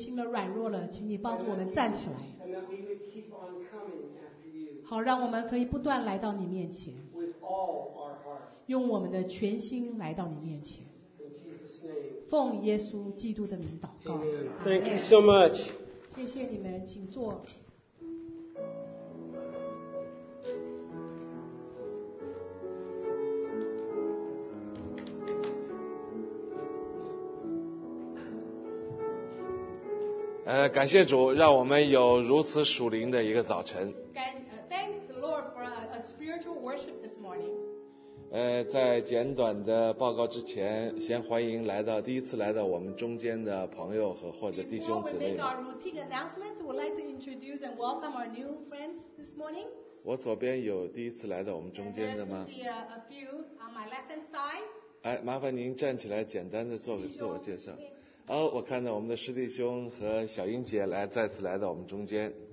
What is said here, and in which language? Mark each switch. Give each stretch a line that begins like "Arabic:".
Chinese: 主啊，若是我们曾经疲倦了、灰心了、软弱了，请你帮助我们站起来。
English: And that we would keep on coming after you.
Chinese: 好，让我们可以不断来到你面前。
English: With all our heart.
Chinese: 用我们的全心来到你面前。奉耶稣基督的名祷告。
English: Amen. Thank you so much.
Chinese: 谢谢你们，请坐。感谢主，让我们有如此属灵的一个早晨。
English: Thank the Lord for a spiritual worship this morning.
Chinese: 在简短的报告之前，先欢迎来到第一次来到我们中间的朋友和或者弟兄姊妹。
English: Before we make our routine announcement, we'd like to introduce and welcome our new friends this morning.
Chinese: 我左边有第一次来到我们中间的吗？
English: There's a few on my left-hand side.
Chinese: 哎，麻烦您站起来，简单的做个自我介绍。哦，我看到我们的师弟兄和小英姐来再次来到我们中间。